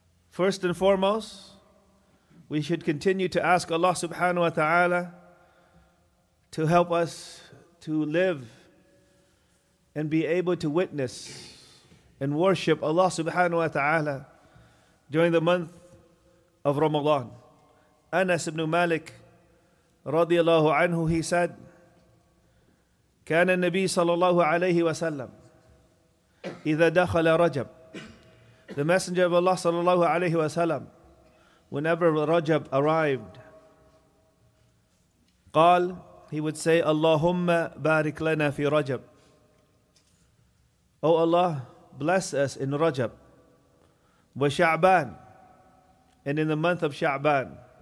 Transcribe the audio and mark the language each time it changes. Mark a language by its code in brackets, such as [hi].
[en] First and foremost, we should continue to ask Allah subhanahu wa ta'ala to help us to live and be able to witness and worship Allah subhanahu wa ta'ala during the month of Ramadan. Anas ibn Malik radiyallahu anhu, he said, [ar] كَانَ النَّبِي صَلَى اللَّهُ عَلَيْهِ وَسَلَّمْ إِذَا دَخَلَ رَجَبْ. [en] The Messenger of Allah sallallahu alayhi wa sallam, whenever Rajab arrived, قال, he would say, [ar] اللَّهُمَّ بَارِكْ لَنَا فِي رَجَبْ. [en] O Allah, bless us in Rajab, wa Sha'ban, and in the month of Sha'ban.